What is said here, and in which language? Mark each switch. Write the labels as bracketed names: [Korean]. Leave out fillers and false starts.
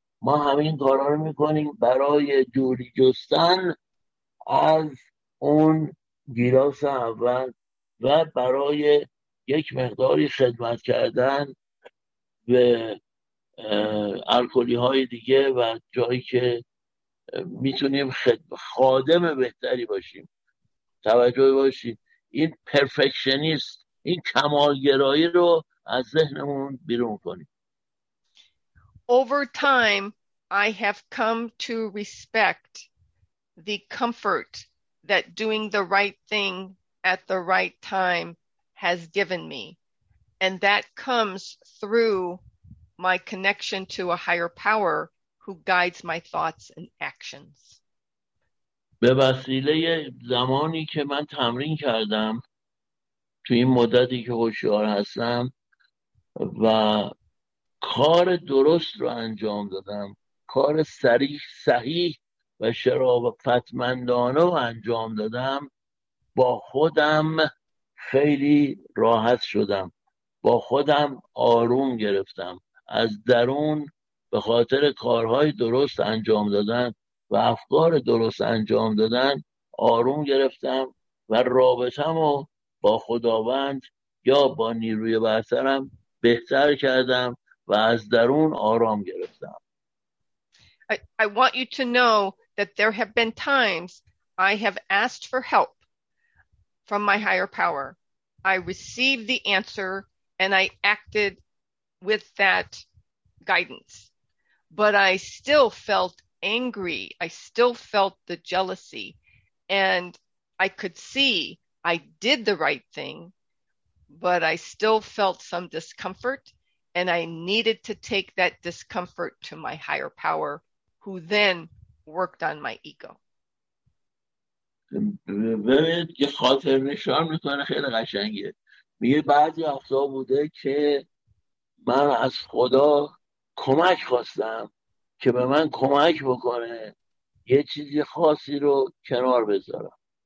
[Persian] ما همین کارها رو میکنیم برای دوری جستن از اون گیلاس اول و برای یک مقداری خدمت کردن به الکلی های دیگه و جایی که میتونیم خادم بهتری باشیم. توجه باشید این پرفکشنیست، این کمالگرایی رو از ذهنمون بیرون کنیم. [English] Over time I have come to respect the comfort that doing the right thing at the right time has given me. And that comes through my connection to a higher power who guides my thoughts and actions. [Persian] به وسیله زمانی که من تمرین کردم تو این مدتی که هوشیار هستم و کار درست رو انجام دادم، کار صریح صحیح و شرافتمندانه رو انجام دادم، با خودم خیلی راحت شدم، با خودم آروم گرفتم. از درون به خاطر کارهای درست انجام دادن و افکار درست انجام دادن آروم گرفتم و رابطم رو با خداوند یا با نیروی برترم بهتر کردم و از درون آرام گرفتم. [English] I want you to know that there have been times I have asked for help from my higher power. I received the answer and I acted with that guidance. But I still felt angry. I still felt the jealousy. And I could see I did the right thing, but I still felt some discomfort. And I needed to take that discomfort to my higher power, who then worked on my ego. [Persian] ببینید یه خاطر نشان میکنه خیلی قشنگه. میگه بعضی وقتا بوده که من از خدا کمک خواستم که به من کمک بکنه یه چیزی خاصی رو کنار بذارم.